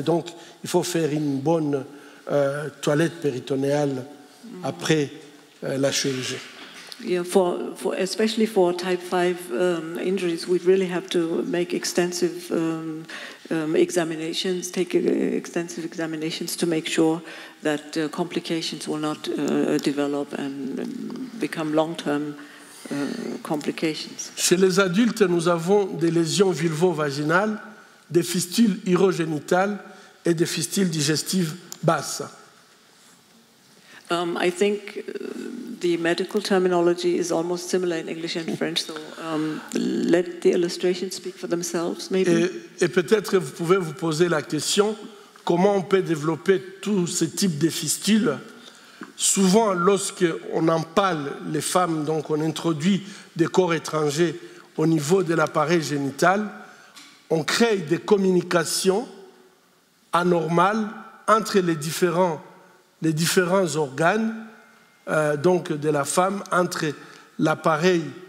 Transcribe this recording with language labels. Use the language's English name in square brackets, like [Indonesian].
[French] Donc, il faut faire une bonne toilette péritonéale après la chirurgie. [English] Yeah, for especially for type 5 injuries, we really have to make extensive examinations, take extensive examinations to make sure that complications will not develop and become long-term. Complications. [French] Chez les adultes, nous avons des lésions vulvo-vaginales, des fistules urogénitales et des fistules digestives basses. [English] I think the medical terminology is almost similar in English and French, so let the illustrations speak for themselves, maybe. [French] Et peut-être vous pouvez vous poser la question, comment on peut développer tous ces types de fistules? Souvent, lorsqu'on en parle, les femmes, donc on introduit des corps étrangers au niveau de l'appareil génital, on crée des communications anormales entre les différents organes donc de la femme, entre l'appareil